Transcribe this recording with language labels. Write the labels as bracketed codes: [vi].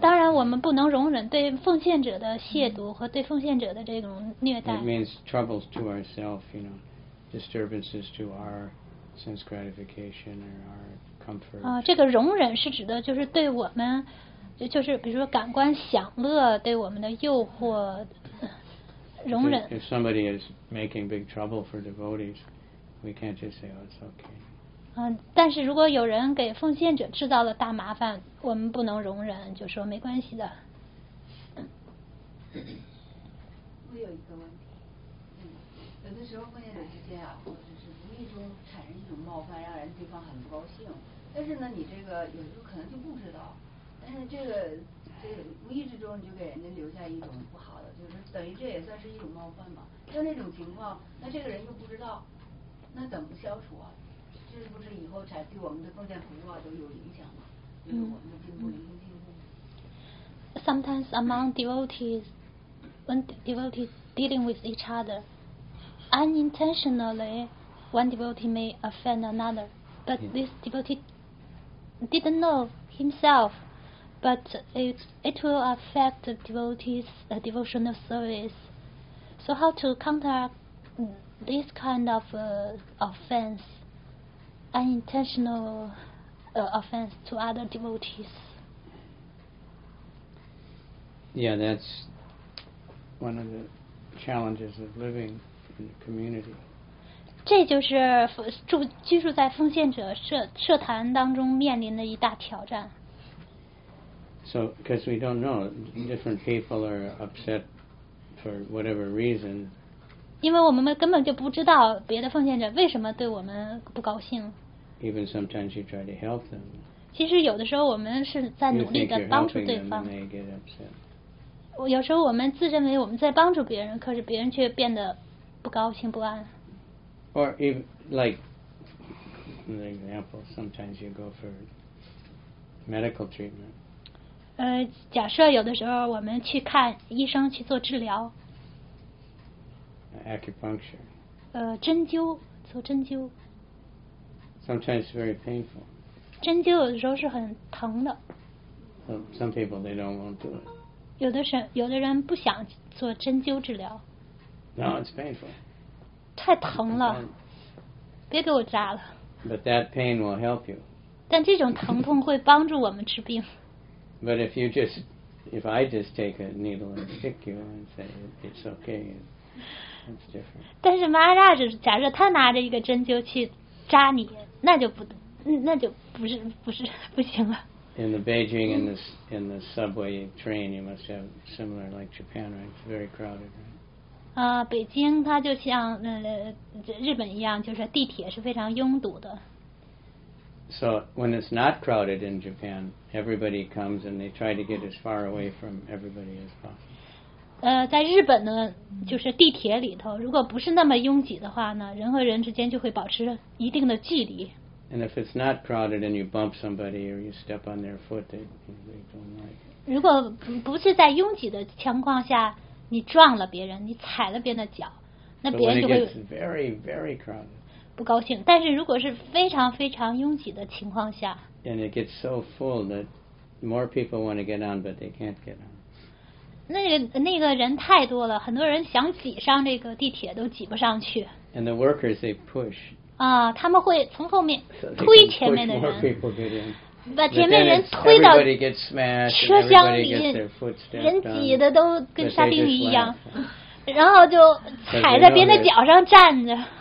[zh] 当然，我们不能容忍对奉献者的亵渎和对奉献者的这种虐待。 [en] It means troubles to ourselves, you know, disturbances to our sense gratification or our comfort. [zh] 这个容忍是指的就是对我们，就是比如说感官享乐对我们的诱惑。容忍。 [en] If somebody is making big trouble for devotees, we can't just say, oh, it's okay. [zh] 但是如果有人给奉献者制造了大麻烦，我们不能容忍，就说没关系的。我有一个问题，有的时候奉献者之间啊，或者是无意中产生一种冒犯，让人对方很不高兴。但是呢，你这个有时候可能就不知道，但是这个无意之中就给人家留下一种不好的，就是等于这也算是一种冒犯吧。像那种情况，那这个人又不知道，那怎么消除啊？这不是以后才对我们的奉献服务啊都有影响吗？就是我们的进步，人生进步。 [en] Sometimes among devotees, when devotees dealing with each other, unintentionally, one devotee may offend another, but this devotee didn't know himself, but it will affect the devotee's devotional service. So how to counteract this kind of offense, unintentional offense to other devotees? Yeah, that's one of the challenges of living in the community. [zh] 这就是居住在奉献者社团当中面临的一大挑战。 [en] So, because we don't know, different people are upset for whatever reason. [zh] 因为我们根本就不知道别的奉献者为什么对我们不高兴。 [en] Even sometimes you try to help them. [zh] 其实有的时候我们是在努力地帮助对方。 [en] You think you're helping them and they get upset. [zh] 有时候我们自认为我们在帮助别人，可是别人却变得不高兴不安。 [en] Or if like, for example, sometimes you go for medical treatment. [zh] 假设有的时候我们去看医生去做治疗。 [en] Acupuncture. [zh] 针灸，做针灸。 [en] Sometimes very painful. [zh] 针灸有的时候是很疼的。 [en] Some people they don't want to do it. [zh] 有的人不想做针灸治疗。 [en] No, it's painful. [zh] 太疼了，别给我扎了。 [en] But that pain will help you. [zh] 但这种疼痛会帮助我们治病。 [en] But if you just, if I just take a needle and stick you and say it's okay, it's different. [zh] 但是Maharaj假设他拿着一个针灸去扎你，那就不行了。 [en] In the Beijing, in the subway train, you must have similar like Japan, right? It's very crowded, right? [zh] 北京它就像日本一样，就是地铁是非常拥堵的。 [en] So when it's not crowded in Japan, everybody comes and they try to get as far away from everybody as possible. [zh] 在日本呢，就是地铁里头，如果不是那么拥挤的话呢，人和人之间就会保持一定的距离。 [en] And if it's not crowded and you bump somebody or you step on their foot, they don't like it. [zh] 如果不是在拥挤的情况下，你撞了别人，你踩了别人的脚，那别人就会。 [en] But when it gets very, very crowded. [zh] 不高兴。但是如果是非常非常拥挤的情况下。 [en] And it gets so full that more people want to get on, but they can't get on. [zh] 那个人太多了，很多人想挤上这个地铁都挤不上去。 [en] And the workers they push. [zh] 他们会从后面推前面的人，把前面人推到车厢里，人挤的都跟沙丁鱼一样，然后就踩在别人的脚上站着。